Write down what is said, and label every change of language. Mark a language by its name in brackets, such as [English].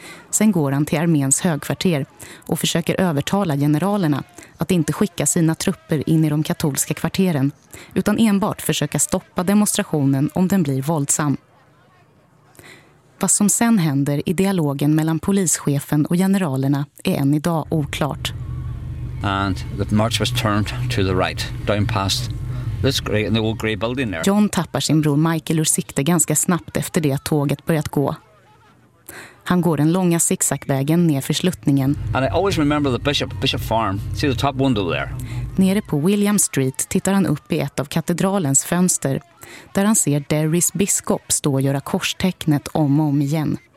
[Swedish] Sen går han till arméns högkvarter och försöker övertala generalerna att inte skicka sina trupper in i de katolska kvarteren, utan enbart försöka stoppa demonstrationen om den blir våldsam. Vad som sen händer i dialogen mellan polischefen och generalerna är än idag oklart. [English] And the march was turned to the right, down past this grey, the old grey building there. [Swedish] John tappar sin bror Michael ur sikte ganska snabbt efter det att tåget börjat gå. Han går den långa zigzagvägen ner för sluttningen. [English] And I always remember the Bishop Farm. See the top window there. [Swedish] Nere på William Street tittar han upp i ett av katedralens fönster, där han ser Derrys biskop stå och göra korstecknet om och om igen